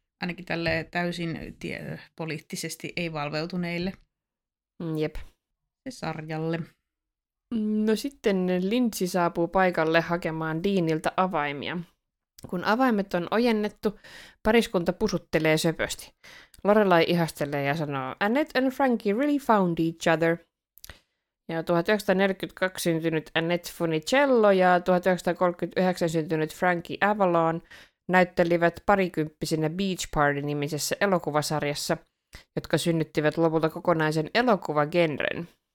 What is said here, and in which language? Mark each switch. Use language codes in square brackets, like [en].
[fi] Ainakin tälle täysin poliittisesti ei-valveutuneille. Jep. Se sarjalle. No sitten Lindsay saapuu paikalle hakemaan Deanilta avaimia. Kun avaimet on ojennettu, pariskunta pusuttelee söpösti. Lorelai ihastelee ja sanoo, [en] Annette and Frankie really found each other. [fi] Ja 1942 syntynyt Annette Funicello ja 1939 syntynyt Frankie Avalon näyttelivät parikymppisinä Beach Party-nimisessä elokuvasarjassa, jotka synnyttivät lopulta kokonaisen elokuvagenren.